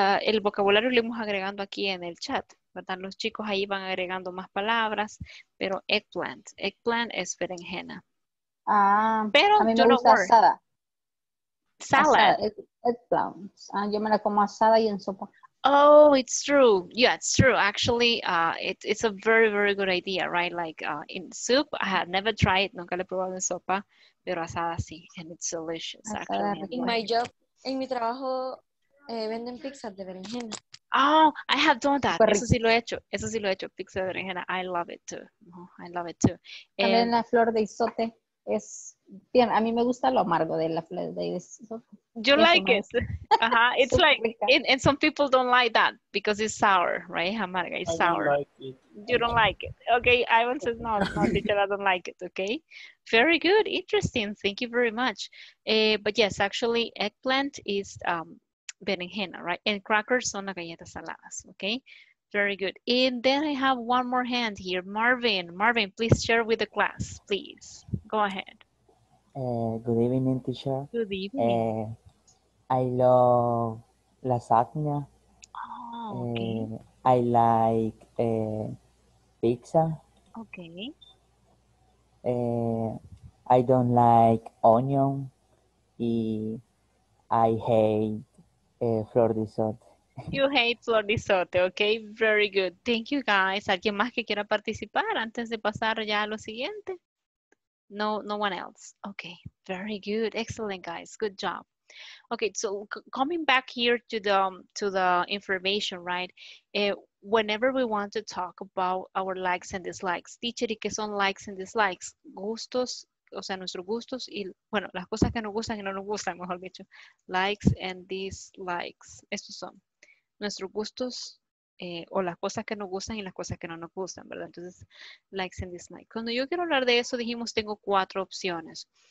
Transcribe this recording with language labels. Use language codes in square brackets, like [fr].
[es] El vocabulario lo hemos agregando aquí en el chat, ¿verdad? Los chicos ahí van agregando más palabras. Pero eggplant. Eggplant es berenjena. Ah, pero a mí me gusta asada. [en] Salad. Eggplants. [es] Ah, yo me la como asada y en sopa. [en] Oh, it's true. Yeah, it's true. Actually, it's a very, very good idea, right? Like in soup, I have never tried, [es] nunca le he probado en sopa, pero asada sí, [en] and it's delicious, asada actually. In my job, [es] en mi trabajo, venden pizza de berenjena. [en] Oh, I have done that. [es] Eso sí lo he hecho. Eso sí lo he hecho, pizza de berenjena. [en] I love it too. Oh, I love it too. [es] También la flor de isote. Es bien, a mí me gusta lo amargo de la flor de isote. [en] You like it. Ajá, it's like, and some people don't like that because it's sour, right? [es] Es amarga, [en] it's sour. You don't like it. Okay, Ivan says no, teacher, I don't like it, okay? Very good, interesting, thank you very much. But yes, actually, eggplant is berenjena, right? And crackers [es] son las galletas saladas, [en] okay? Very good. And then I have one more hand here. Marvin. Marvin, please share with the class, please. Go ahead. Good evening, teacher. Good evening. I love lasagna. Oh, okay. I like pizza. Okay. I don't like onion. Y I hate flor de sol. You hate flor de isote, okay? Very good. Thank you, guys. [es] ¿Alguien más que quiera participar antes de pasar ya a lo siguiente? [en] No, no one else. Okay, very good. Excellent, guys. Good job. Okay, so coming back here to the information, right? Whenever we want to talk about our likes and dislikes, teacher, [es] ¿y qué son [en] likes and dislikes? [es] Gustos, o sea, nuestros gustos y, bueno, las cosas que nos gustan y no nos gustan, mejor dicho. Likes and dislikes. Estos son. Nuestros gustos o las cosas que nos gustan y las cosas que no nos gustan, ¿verdad? Entonces, likes and dislikes. Cuando yo quiero hablar de eso, dijimos, tengo cuatro opciones.